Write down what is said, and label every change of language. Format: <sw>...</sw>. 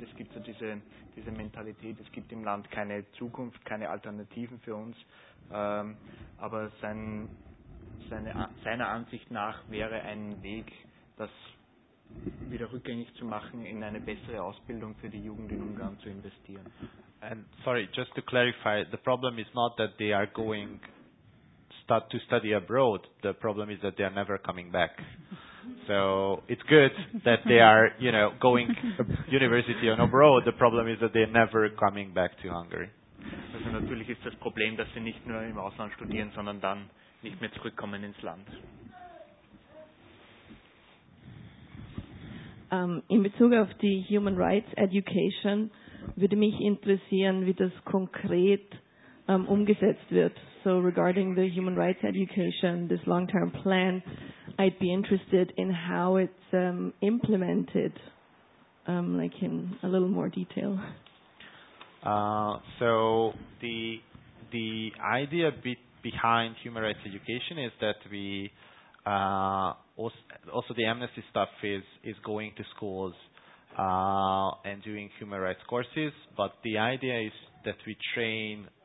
<de>Es gibt so diese Mentalität, es gibt im Land keine Zukunft, keine Alternativen für uns. Aber seiner Ansicht nach wäre ein Weg, das wieder rückgängig zu machen, in eine bessere Ausbildung für die Jugend in Ungarn zu investieren.</de> <en>And sorry, just to clarify, the problem is not that they are going to study abroad. The problem is that they are never coming back. So it's good that they are, you know, going university on abroad. The problem is that they're never coming back to Hungary.</en> <de>Also natürlich ist das Problem, dass sie nicht nur im Ausland studieren, sondern dann nicht mehr zurückkommen ins Land. In Bezug auf die Human Rights Education würde mich interessieren, wie das konkret umgesetzt wird.</de> <en>So regarding the Human Rights Education, this long-term plan, I'd be interested in how it's implemented, like in a little more detail. So the idea behind human rights education is that we also the Amnesty stuff is going to schools and doing human rights courses, but the idea is that we train</en>